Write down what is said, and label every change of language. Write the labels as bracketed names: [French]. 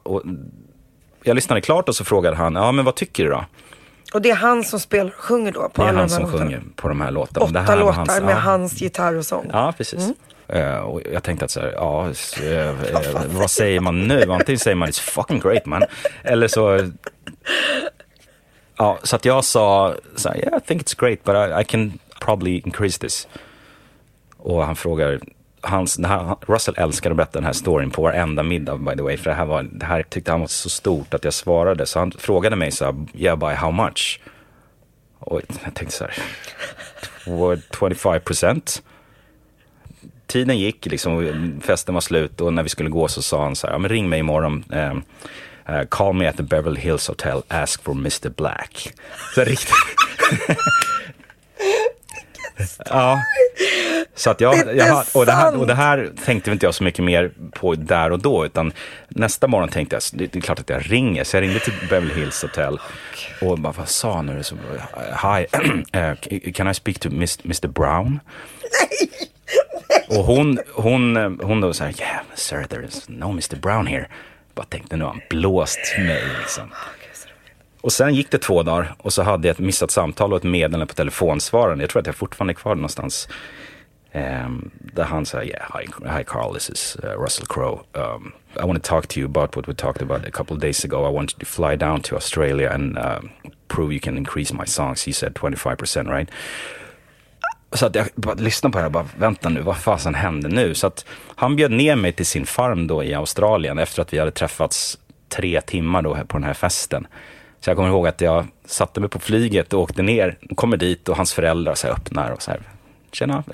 [Swedish] Och jag lyssnade klart och så frågade han, ja men vad tycker du då? Och det är han som spelar, sjunger då? På det är alla han som sjunger på de här låtarna. 8 det här låtar hans, med hans gitarr och sång. Ja, precis. Mm. Och jag tänkte att så här, vad säger man nu? Antingen säger man, [English] it's fucking great man. [Swedish] Eller så... Ja, så att jag sa, så här, [English] yeah, I think it's great, but I can probably increase this. [Swedish] Och han frågar, Russell älskar att berätta den här storyn på varenda middag, [English] by the way. [Swedish] För det här tyckte han var så stort att jag svarade. Så han frågade mig, så här, [English] yeah, by how much? [Swedish] Och jag tänkte så här, 25%. Tiden gick, liksom, festen var slut, och när vi skulle gå så sa han så här, ja, men ring mig imorgon. [English] Call me at the Beverly Hills Hotel, ask for Mr. [Swedish] Black. Så riktigt... Ja. Så att jag och det här tänkte inte jag så mycket mer på där och då, utan nästa morgon tänkte jag, det är klart att jag ringer. Så jag ringde till Beverly Hills Hotel och bara, vad sa han nu? [English] Så, hi, can I speak to Mr. Brown? [Swedish] Nej. Och hon då säger, [English] yeah, sir, there is no Mr. Brown here. [Swedish] Jag bara tänkte, nu han blåst mig liksom. Och sen gick det 2 dagar och så hade jag ett missat samtal och ett meddelande på telefonsvararen. Jag tror att jag fortfarande är kvar någonstans. Där han sa, [English] yeah, hi Carl, this is Russell Crowe. I want to talk to you about what we talked about a couple of days ago. I want you to fly down to Australia and prove you can increase my songs. He said 25%, right? [Swedish] Så att jag bara lyssnade på det här och bara, vänta nu, vad fasen hände nu? Så att han bjöd ner mig till sin farm då i Australien efter att vi hade träffats 3 timmar då på den här festen. Så jag kommer ihåg att jag satte mig på flyget och åkte ner, kommer dit och hans föräldrar så här öppnar och så här, tjena.